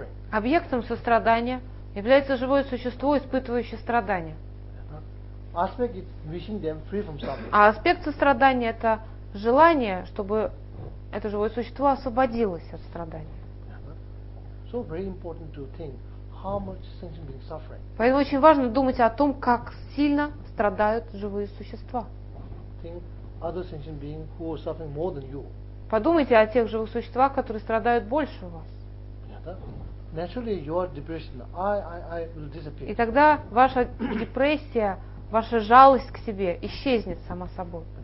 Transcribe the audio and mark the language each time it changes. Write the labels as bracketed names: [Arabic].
[Russian] Объектом сострадания является живое существо, испытывающее страдания. [English] Aspect is wishing them free from suffering. [Russian] А аспект сострадания – это желание, чтобы это живое существо освободилось от страдания. [English] So very important to think how much sentient beings suffering. [Russian] Поэтому очень важно думать о том, как сильно страдают живые существа. [English] Think other sentient beings who are suffering more than you. [Russian] Подумайте о тех живых существах, которые страдают больше вас. [English] Naturally, your depression, I will disappear. [Russian] И тогда ваша депрессия, ваша жалость к себе исчезнет сама собой.